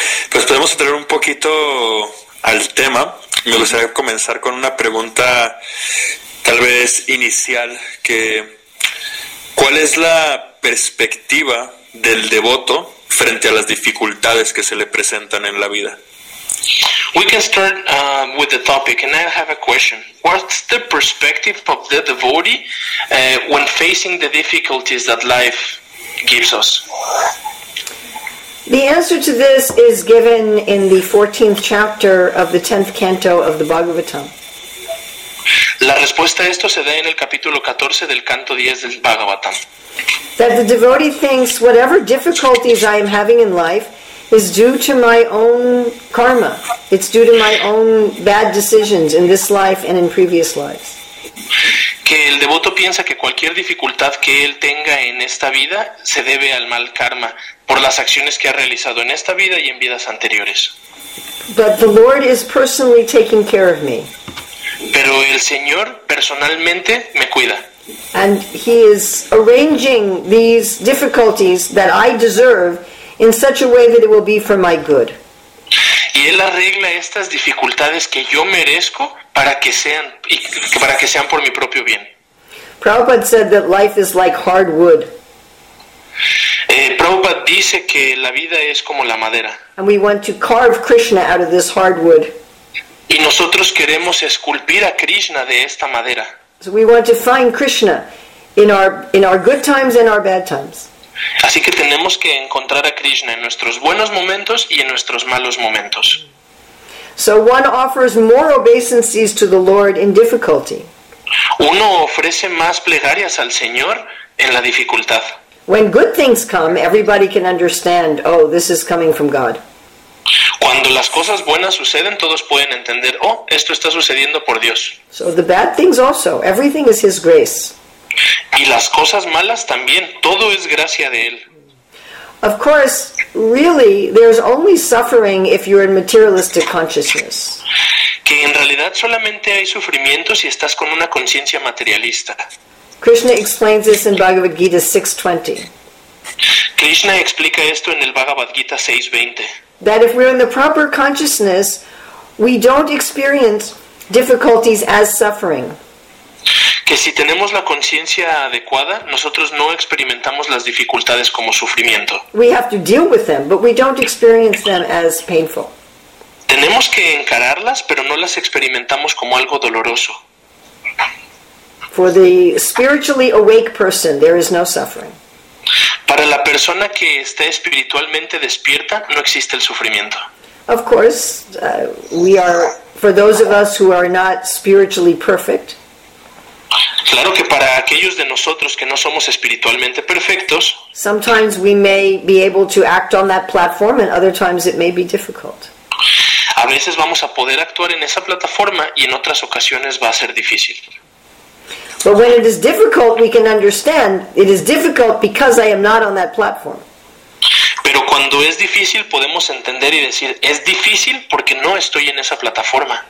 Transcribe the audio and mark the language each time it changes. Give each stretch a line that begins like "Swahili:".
Spanish: Pues podemos entrar un poquito al tema. Me gustaría comenzar con una pregunta tal vez inicial, que ¿cuál es la perspectiva del devoto frente a las dificultades que se le presentan en la vida?
English: We can start with the topic, and I have a question. What's the perspective of the devotee when facing the difficulties that life gives us? The answer to this is given in the 14th chapter of the 10th canto of the Bhagavatam.
Spanish: La respuesta a esto se da en el capítulo 14 del canto 10 del Bhagavatam.
English: That the devotee thinks whatever difficulties I am having in life is due to my own karma. It's due to my own bad decisions in this life and in previous lives.
Spanish: Que el devoto piensa que cualquier dificultad que él tenga en esta vida se debe al mal karma por las acciones que ha realizado en esta vida y en vidas anteriores.
English: But the Lord is personally taking care of me.
Spanish: Pero el Señor personalmente me cuida.
English: And he is arranging these difficulties that I deserve in such a way that it will be for my good.
Spanish: Y él arregla estas dificultades que yo merezco para que sean por mi propio bien.
English: Prabhupada said that life is like hard wood.
Spanish: Prabhupada dice que la vida es como la madera.
English: And we want to carve Krishna out of this hard wood.
Spanish: Y nosotros queremos esculpir a Krishna de esta madera.
English: So we want to find Krishna in our good times and our bad times.
Spanish: Así que tenemos que encontrar a Krishna en nuestros buenos momentos y en nuestros malos momentos.
English: So one offers more obeisances to the Lord in difficulty.
Spanish: Uno ofrece más plegarias al Señor en la dificultad.
English: When good things come, everybody can understand, oh, this is coming from God.
Spanish: Cuando las cosas buenas suceden, todos pueden entender, oh, esto está sucediendo por Dios.
English: So the bad things also, everything is His grace.
Spanish: Y las cosas malas también, todo es gracia de Él.
English: Of course, really, there's only suffering if you're in materialistic consciousness.
Spanish: Que en realidad solamente hay sufrimiento si estás con una conciencia materialista.
English: Krishna explains this in Bhagavad Gita 6:20.
Spanish: Krishna explica esto en el Bhagavad Gita 6:20.
English: That if we're in the proper consciousness, we don't experience difficulties as suffering.
Spanish: Que si tenemos la conciencia adecuada, nosotros no experimentamos las dificultades como sufrimiento.
English: We have to deal with them, but we don't experience them as painful.
Spanish: Tenemos que encararlas, pero no las experimentamos como algo doloroso.
English: For the spiritually awake person, there is no suffering.
Spanish: Para la persona que esté espiritualmente despierta, no existe el sufrimiento.
English: Of course, we are, for those of us who are not spiritually perfect.
Spanish: Claro que para aquellos de nosotros que no somos espiritualmente perfectos,
English: sometimes we may be able to act on that platform and other times it may be difficult.
Spanish: A veces vamos a poder actuar en esa plataforma y en otras ocasiones va a ser difícil.
English: But when it is difficult, we can understand it is difficult because I am not on that platform.
Spanish: Pero cuando es difícil, podemos entender y decir, es difícil porque no estoy en esa plataforma.